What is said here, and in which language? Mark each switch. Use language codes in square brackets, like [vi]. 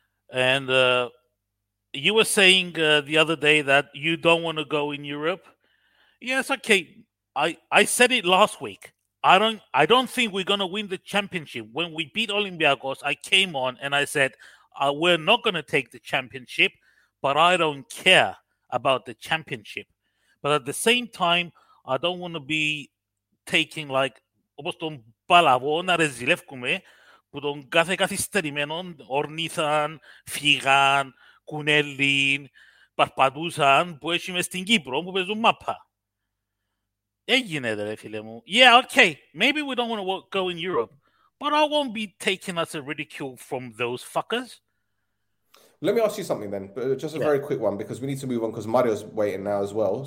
[en] And you were saying the other day that you don't want to go in Europe. Yes, okay. I said it last week. I don't think we're going to win the championship. When we beat Olympiacos, I came on and I said, we're not going to take the championship, but I don't care about the championship. But at the same time, I don't want to be taking like, [el] όπως τον παλαβό να ρεζιλεύκουμε που τον κάθε καθυστερημένο ορνήθαν, φύγαν, κουνέλιν, παρπατούσαν που έχει μες στην Κύπρο που παίζουν μάπα. Έγινε δε ρε φίλε μου. [en] Yeah, okay, maybe we don't want to go in Europe, but I won't be taken as a ridicule from those fuckers. Let me ask you something then, but just a very quick one because we need to move on because Mario's waiting now as well.